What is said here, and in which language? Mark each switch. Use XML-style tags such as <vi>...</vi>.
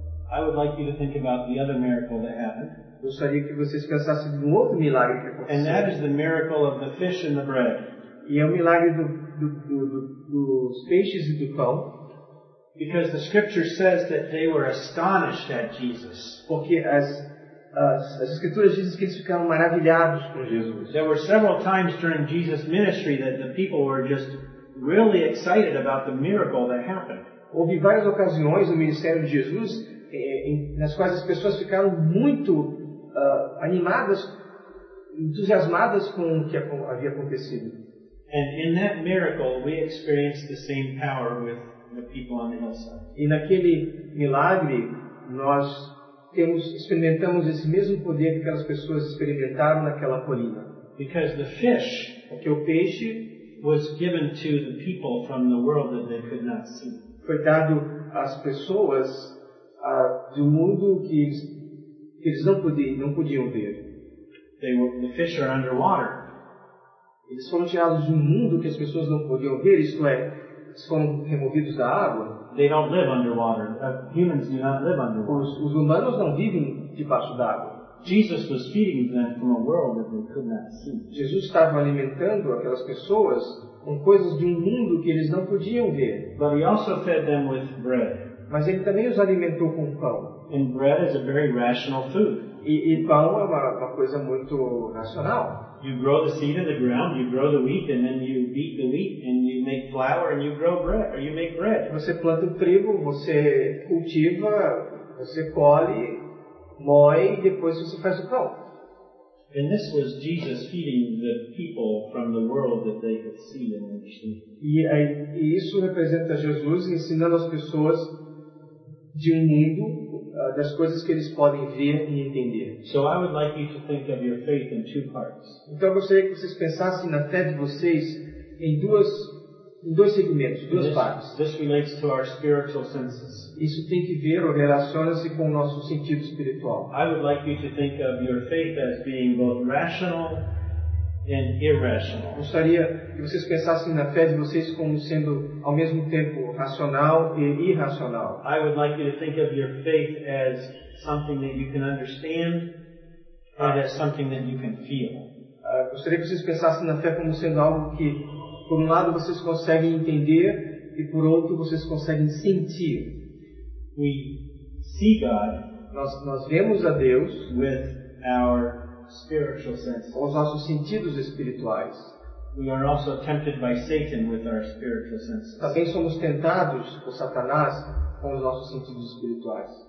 <en>I would like you to think about the other miracle that happened.</en> <pt>Eu gostaria que vocês pensassem de um outro milagre que aconteceu.</pt> <en>And that is the miracle of the fish and the bread.</en> <pt>E é o milagre dos peixes e do pão.</pt> <en>Because the scripture says that they were astonished at Jesus.</en> <pt>Porque as escrituras dizem que eles ficaram maravilhados com Jesus.</pt> <en>There were several times during Jesus' ministry that the people were just really excited about the miracle that happened.</en> <pt>Houve várias ocasiões no ministério de Jesus nas quais as pessoas ficaram muito animadas, entusiasmadas com o que havia acontecido.</pt> <en>And in that miracle, we experienced the same power with the people on the hillside.</en> <pt>E naquele milagre, nós experimentamos esse mesmo poder que aquelas pessoas experimentaram naquela colina.</pt> <en>Because the fish,</en> <pt>porque o peixe,</pt> <en>was given to the people from the world that they could not see.</en> <pt>Foi dado às pessoas do mundo que eles não podiam ver.</pt> <en>The fish are underwater.</en> <pt>Eles foram tirados de um mundo que as pessoas não podiam ver, isto é, eles foram removidos da água.</pt> <en>They don't live underwater. Humans do not live underwater.</en> <pt>Os humanos não vivem debaixo d'água.</pt> <en>Jesus was feeding them from a world that they could not see.</en> <pt>Jesus estava alimentando aquelas pessoas com coisas de um mundo que eles não podiam ver.</pt> <en>But he also fed them with bread.</en> <pt>Mas ele também os alimentou com pão.</pt> <en>And bread is a very rational food.</en> <pt>E pão é uma coisa muito racional.</pt> <en>You grow the seed in the ground, you grow the wheat, and then you beat the wheat, and you make flour, and you grow bread, or you make bread.</en> <pt>Você planta o trigo, você cultiva, você colhe, moe, e depois você faz o pão.</pt> <en>And this was Jesus feeding the people from the world that they could see and understand.</en> <pt>E isso representa Jesus ensinando as pessoas de um mundo das coisas que eles podem ver e entender.</pt> <en>So I would like you to think of your faith in two parts.</en> <pt>Então eu gostaria que vocês pensassem na fé de vocês em dois segmentos, duas partes.</pt> <en>This relates to our spiritual senses.</en> <pt>Isso tem que ver ou relaciona-se com o nosso sentido espiritual.</pt> <en>I would like you to think of your faith as being both rational and irrational.</en> <pt>Gostaria que vocês pensassem na fé de vocês como sendo ao mesmo tempo racional e irracional.</pt> <en>I would like you to think of your faith as something that you can understand and as something that you can feel.</en> <pt>Gostaria que vocês pensassem na fé como sendo algo que, por um lado, vocês conseguem entender e, por outro, vocês conseguem sentir.</pt> <en>We see God.</en> <pt>Nós vemos a Deus</pt> <en>with our spiritual senses.</en> <pt>Com os nossos sentidos espirituais.</pt> <en>We are also tempted by Satan with our spiritual senses.</en> <pt>Também somos tentados por Satanás com os nossos sentidos espirituais.</pt>